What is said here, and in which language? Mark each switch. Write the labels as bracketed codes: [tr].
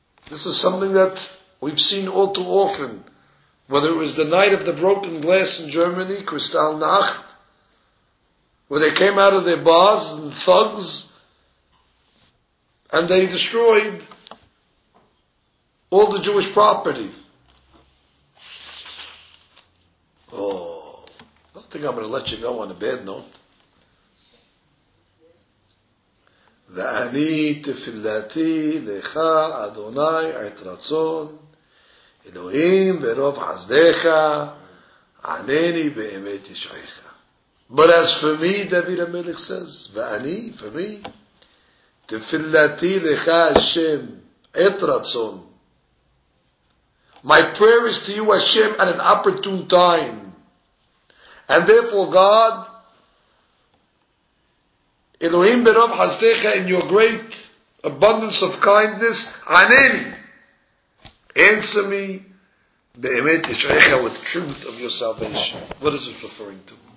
[en] This is something that we've seen all too often. Whether it was the night of the broken glass in Germany, Kristallnacht, where they came out of their bars and thugs, and they destroyed all the Jewish property. Oh, I don't think I'm going to let you go on a bad note. [he] ואני תפילתי לך אדוני את רצון אלוהים ברוב חסדך ענני באמת ישעך. [en] But as for me, David HaMelech says, ואני, for me, תפילתי לך השם את רצון. My prayer is to you, Hashem, at an opportune time. And therefore, God, Elohim Berav Hazdecha, in your great abundance of kindness, Aneni, answer me, Be'emet Yishrecha, with truth of your salvation. What is this referring to?